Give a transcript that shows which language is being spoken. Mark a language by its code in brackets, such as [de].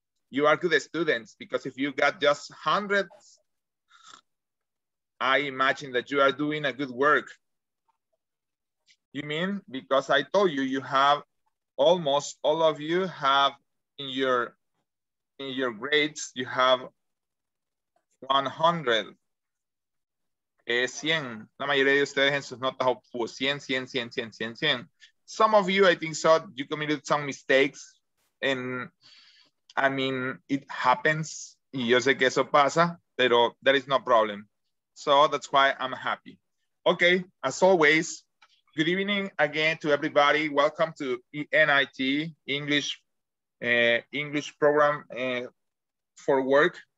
[en] You are good students because if you got just 100, I imagine that you are doing a good work. You mean, because I told you, you have almost all of you have in your grades, you have 100. 100. [es] La mayoría de ustedes en sus notas obtuvo 100. [en] Some of you, I think so, you committed some mistakes. And I mean, it happens. [es] Y yo sé que eso pasa, pero [en] that is no problem. So that's why I'm happy. Okay, as always, Good evening again to everybody. Welcome to ENIT English English program for work.